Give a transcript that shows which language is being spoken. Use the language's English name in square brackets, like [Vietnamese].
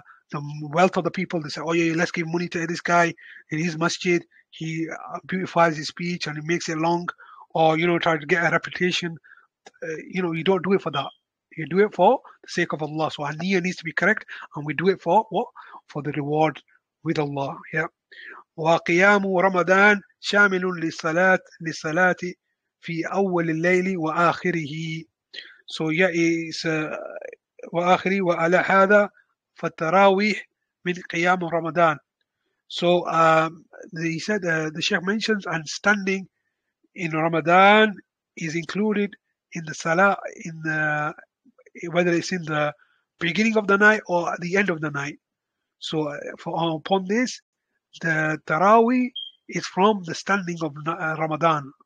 [English] the wealth of the people. They say, oh yeah, let's give money to this guy in his masjid. He beautifies his speech and he makes it long, or try to get a reputation. You don't do it for that. You do it for the sake of Allah. So our niyyah needs to be correct, and we do it for what? For the reward with Allah. Yeah. [Arabic] وقيام رمضان شامل للصلاة في أول الليل وآخره. [English] So yeah, it's [Arabic] وآخره وعلى هذا فالتراويح من قيام رمضان. [English] So he said, the Sheikh mentions, and standing in Ramadan is included in the Salah, in the, whether it's in the beginning of the night or at the end of the night. So upon this, the Taraweeh is from the standing of Ramadan.